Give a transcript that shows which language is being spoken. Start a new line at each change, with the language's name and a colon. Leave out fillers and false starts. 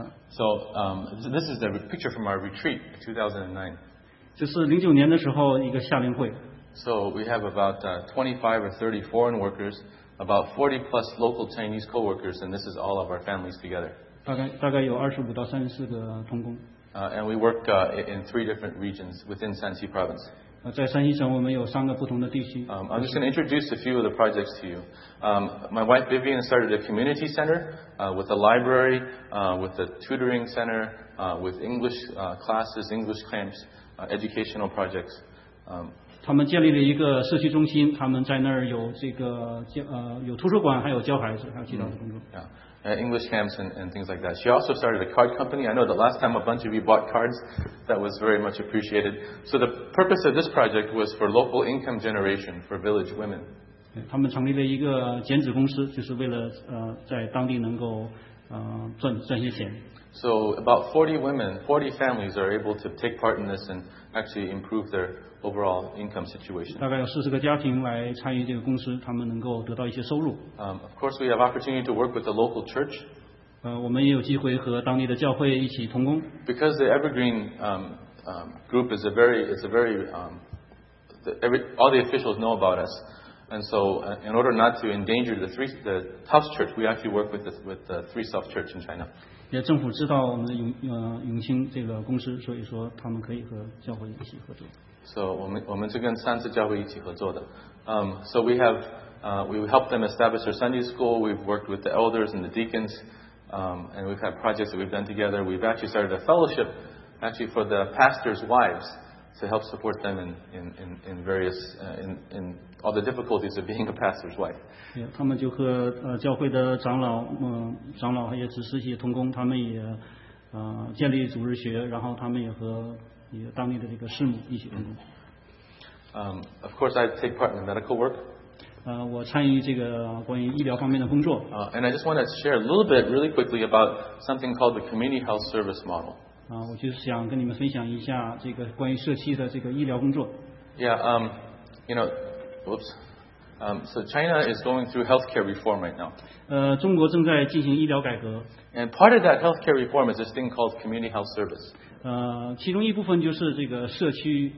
English: So this is a picture from our retreat, 2009.
Chinese: 这是09年的时候一个夏令会。
English: So we have about 25 or 30 foreign workers, about 40 plus local Chinese co-workers, and this is all of our families together.
Chinese: 大概有25到34个同工。
English: And we work in three different regions within Shanxi province.
Chinese: 在山西省我们有三个不同的地区。
English: I'm just going to introduce a few of the projects to you. My wife Vivian started a community center with a library, with a tutoring center, with English classes, English camps, educational projects.
Chinese: 他们建立了一个社区中心，他们在那儿有这个有图书馆，还有教孩子，还有其他的工作。
English: English camps and things like that. She also started a card company. I know the last time a bunch of you bought cards, that was very much appreciated. So the purpose of this project was for local income generation for village women.
Chinese: 他们成立了一个剪纸公司，就是为了在当地能够赚些钱。
English: So about 40 women, 40 families are able to take part in this and actually improve their overall income situation.
Chinese: 大概有40个家庭来参与这个公司，他们能够得到一些收入。
English: Of course, we have opportunity to work with the local church.
Chinese: 我们也有机会和当地的教会一起同工。
English: Because the Evergreen group is all the officials know about us. And so in order not to endanger the Tufts church, we actually work with the Three Self church in China.
Chinese: 也政府知道我们永兴这个公司，所以说他们可以和教会一起合作。 So 我们是跟三次教会一起合作的。
English: So we have we helped them establish their Sunday school. We've worked with the elders and the deacons, and we've had projects that we've done together. We've actually started a fellowship, actually for the pastors' wives to help support them in various in all the difficulties of being a pastor's wife.
Chinese: Yeah, 他们就和教会的长老还有执事一起同工，他们也建立主日学，然后他们也和当地的这个事母一起同工。
English: Of course, I take part in the medical work.
Chinese: 我参与这个关于医疗方面的工作。
English: And I just want to share a little bit, really quickly, about something called the community health service model.
Chinese: 我就想跟你们分享一下这个关于社区的这个医疗工作。
English: Yeah, you know. Oops. So China is going through healthcare reform right now.
Chinese: 中国正在进行医疗改革。
English: And part of that healthcare reform is this thing called community health service.
Chinese: 其中一部分就是这个社区